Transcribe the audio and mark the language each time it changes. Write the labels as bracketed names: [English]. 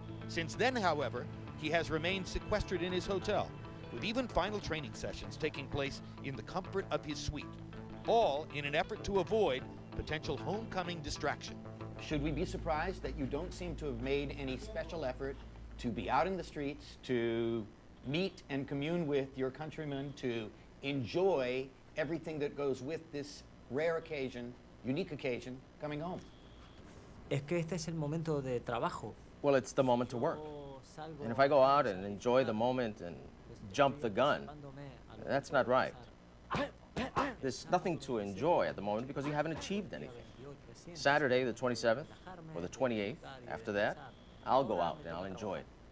[English] Since then, however, he has remained sequestered in his hotel, with even final training sessions taking place in the comfort of his suite, all in an effort to avoid potential homecoming distraction. Should we be surprised that you don't seem to have made any special effort to be out in the streets, to meet and commune with your countrymen, to enjoy everything that goes with this rare occasion, unique occasion, coming home? [Spanish] Es que este es el momento de trabajo. [English] Well, it's the moment to work. And if I go out and enjoy the moment and jump the gun, that's not right. There's nothing to enjoy at the moment because you haven't achieved anything. Saturday, the 27th, or the 28th, after that, I'll go out and I'll enjoy it.